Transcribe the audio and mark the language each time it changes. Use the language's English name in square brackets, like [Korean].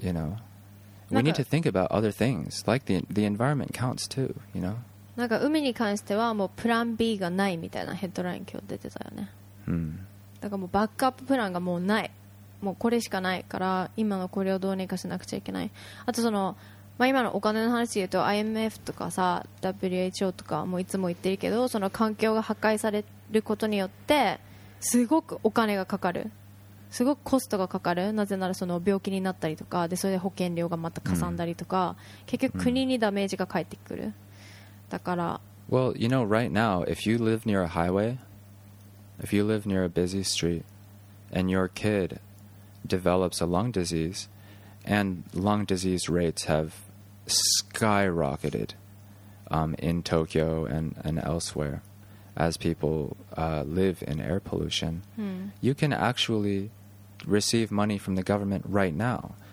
[English] You know, we need to think about other things like the environment counts too, you know. [Japanese] なんか海に関してはもうプラン B がないみたいなヘッドライン今日出てたよね、うん、だからもうバックアッププランがもうない、もうこれしかないから今のこれをどうにかしなくちゃいけない。あとその、まあ、今のお金の話で言うと IMF とかさ WHO とかもいつも言ってるけど、その環境が破壊されることによってすごくお金がかかる、すごくコストがかかる。なぜならその病気になったりとかで、それで保険料がまたかさんだりとか、うん、結局国にダメージが返ってくる。だから [English] Well, you know, right now, if you live near a highway, if you live near a busy street, and your kid develops a lung disease, and lung disease rates have skyrocketed, in Tokyo and elsewhere, as people, live in air pollution, you can actually receive money from the government right now.